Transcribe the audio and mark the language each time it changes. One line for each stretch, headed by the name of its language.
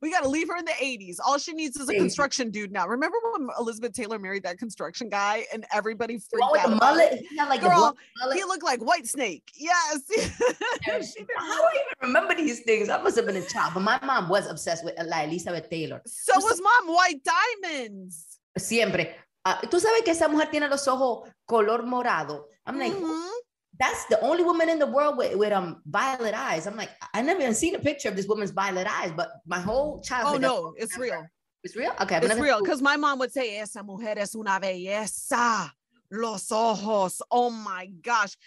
English: We got to leave her in the 80s. All she needs is a construction dude now. Remember when Elizabeth Taylor married that construction guy and everybody freaked out? With the mullet? Like, girl, mullet? He looked like Whitesnake. Yes. How do I even remember these things? I must have been a child. But my mom was obsessed with Elizabeth Taylor. So was mom. White diamonds.
Spanish: Siempre. Tú sabes que esa mujer tiene los ojos color morado.
English: I'm like, that's the only woman in the world with violet eyes. I'm like, I never even seen a picture of this woman's violet eyes, but my whole childhood. Oh, no, it's real. It's real? Okay. It's real, because my mom would say,
Spanish: esa mujer es una belleza, los ojos.
English: Oh, my gosh.